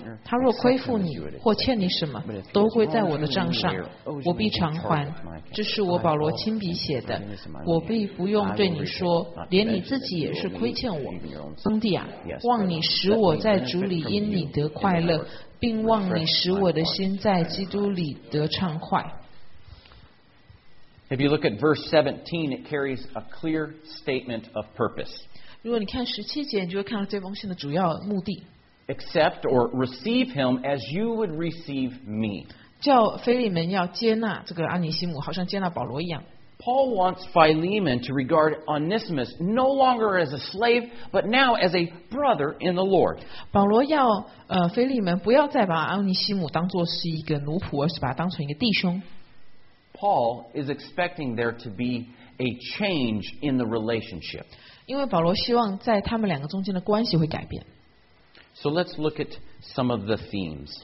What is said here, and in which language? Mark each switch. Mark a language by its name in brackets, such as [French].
[Chinese] 他若亏负你或欠你什么，都归在我的账上，我必偿还。这是我保罗亲笔写的，我必不用对你说，连你自己也是亏欠我。兄弟啊，望你使我在主里因你得快乐，并望你使我的心在基督里得畅快。 [English] If you look at verse 17, it carries a clear statement of purpose. [Chinese] 如果你看十七节，你就会看到这封信的主要目的。 [English] Accept or receive him as you would receive me. [Chinese] 叫腓利门要接纳这个阿尼西姆，好像接纳保罗一样。 [English] Paul wants Philemon to regard Onesimus no longer as a slave, but now as a brother in the Lord. [Chinese] 保罗要腓利门不要再把阿尼西姆当作是一个奴仆，而是把他当成一个弟兄。 [English] Paul is expecting there to be a change in the relationship. [Chinese] 因为保罗希望在他们两个中间的关系会改变。 [English] So let's look at some of the themes.